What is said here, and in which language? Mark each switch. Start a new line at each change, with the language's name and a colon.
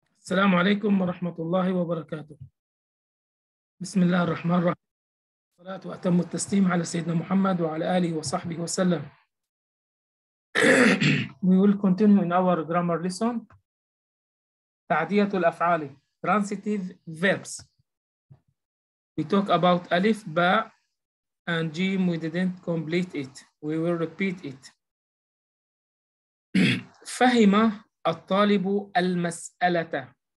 Arabic: السلام عليكم ورحمة الله وبركاته. بسم الله الرحمن الرحيم، والصلاة وأتم التسليم على سيدنا محمد وعلى آله وصحبه وسلم.
English: We will continue in our grammar lesson.
Arabic: تعدية الأفعال
English: transitive verbs. We talk about ألف باء and جيم. We didn't complete it. We will repeat it.
Arabic: فهم الطالب المسألة.